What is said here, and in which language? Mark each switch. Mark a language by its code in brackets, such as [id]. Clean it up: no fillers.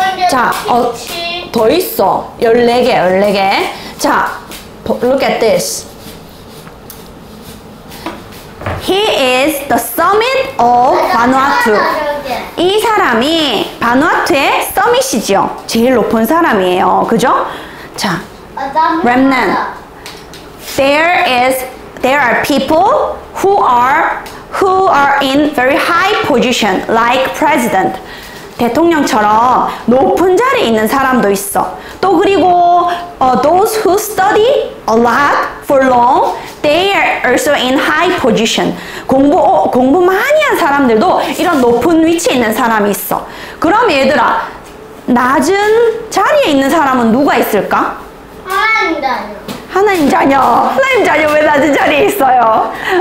[ko] 자, 더 있어. 14개. [en] 자, look at this. He is the summit of Vanuatu. [ko] 이 사람이 바누아투의 서밋이지요. 제일 높은 사람이에요. 그죠? 자, remnant. [en] There are people who are in very high position, like president. [ko] 대통령처럼 높은 자리에 있는 사람도 있어. 또 그리고 [en] those who study a lot for long, they are also in high position. [ko] 공부 많이 한 사람들도 이런 높은 위치에 있는 사람이 있어. 그럼 얘들아, 낮은 자리에 있는 사람은 누가 있을까? 하나님 자녀. 하나님 자녀. 하나님 자녀 왜 낮은 자리에 있어요?